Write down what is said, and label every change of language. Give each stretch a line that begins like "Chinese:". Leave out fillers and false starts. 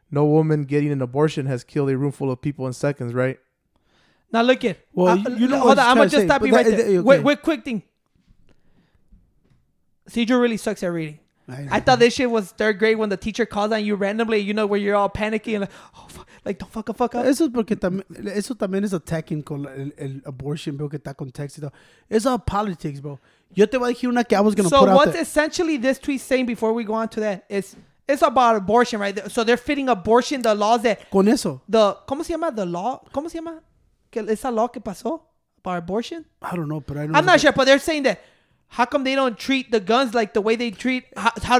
English: no woman getting an abortion has killed a room full of people in seconds, right? Now look it. Well, I'm gonna just stop you right there. Okay. Wait, quick thing. Cedro really sucks at reading. I thought this shit was third grade when the teacher calls on you randomly, you know, where you're all panicking and like, oh, like don't fuck a fuck up.
Spanish: Eso es porque eso también es attacking con el abortion bill que está con Texas.
English: It's all politics, bro.
Spanish: Yo te voy a decir una que
English: I was going put out there. So what's essentially this tweet saying before we go on to that is it's about abortion, right? So they're fitting abortion, the laws that...
Spanish: Con eso. The, ¿cómo se llama? The law? ¿Cómo se llama? ¿Esa law que pasó?
English: About abortion? I don't know, but I know... I'm not sure, but they're saying that how come they don't treat the guns like the way they treat... how?